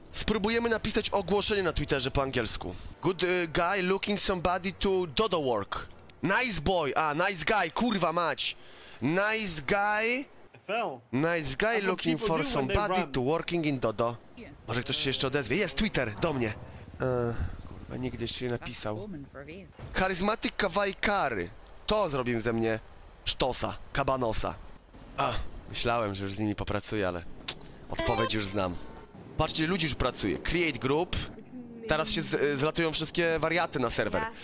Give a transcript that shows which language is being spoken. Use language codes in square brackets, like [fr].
[pl] Spróbujemy napisać ogłoszenie na Twitterze po angielsku. [en] Good guy looking somebody to dodo work. Nice boy. Nice guy. [pl] Kurwa, mać. [en] Nice guy. Nice guy looking for somebody to working in dodo. [pl] Może ktoś się jeszcze odezwie. Jest Twitter, do mnie. Kurwa, nigdy jeszcze nie napisał. [en] Charismatic kawaii kary. [pl] To zrobił ze mnie sztosa, kabanosa. Myślałem, że już z nimi popracuję, ale odpowiedź już znam. Patrzcie, ludzi już pracuje. Create group. Teraz się zlatują wszystkie wariaty na serwer.